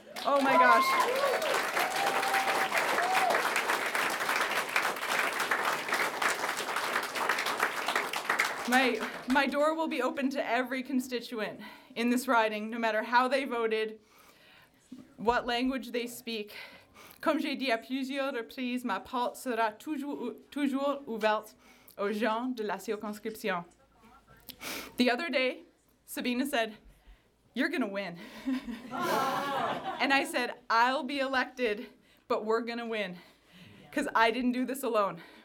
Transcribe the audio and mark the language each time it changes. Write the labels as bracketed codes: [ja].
[en] Oh my gosh. My door will be open to every constituent in this riding, no matter how they voted, what language they speak. [fr] Comme j'ai dit à plusieurs reprises, ma porte sera toujours ouverte aux gens de la circonscription. [en] The other day, Sabina said, "You're gonna win." And I said, "I'll be elected, but we're gonna win, because I didn't do this alone."